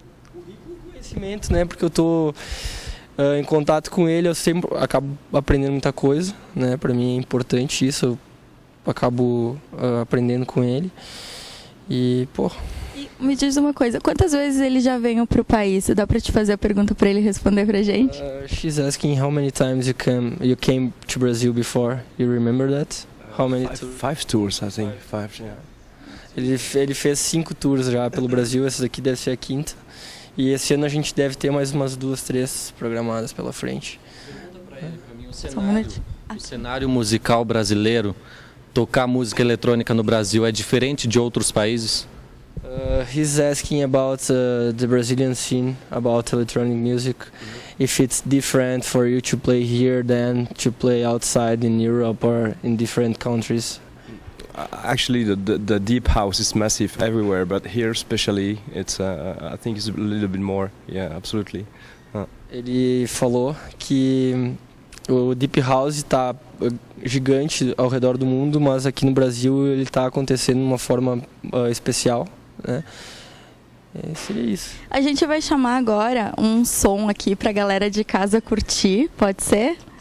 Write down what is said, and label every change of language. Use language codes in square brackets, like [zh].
[pt] Currículo e conhecimento, né? Porque eu tô em contato com ele, eu sempre acabo aprendendo muita coisa, né? Pra mim é importante isso, eu acabo aprendendo com ele. E, pô. E me diz uma coisa, quantas vezes ele já veio pro país? Dá pra te fazer a pergunta pra ele responder pra gente? [en] She's asking how many times you came to Brazil before. You remember that? How many five tours, I think. Five, yeah. [pt] Ele fez 5 tours já pelo Brasil, essa daqui deve ser a 5ª. E esse ano a gente deve ter mais umas 2-3 programadas pela frente. Pergunta pra ele, pra mim, o cenário musical brasileiro. Tocar música eletrônica no Brasil é diferente de outros países? He's asking about the Brazilian scene, about electronic music. Mm-hmm. If it's different for you to play here than to play outside in Europe or in different countries. Actually, the deep house is massive everywhere, but here especially, it's I think it's a little bit more. Yeah, absolutely. Ele falou que o deep house está gigante ao redor do mundo, mas aqui no Brasil ele está acontecendo de uma forma especial, né? Seria isso. A gente vai chamar agora um som aqui para a galera de casa curtir, pode ser?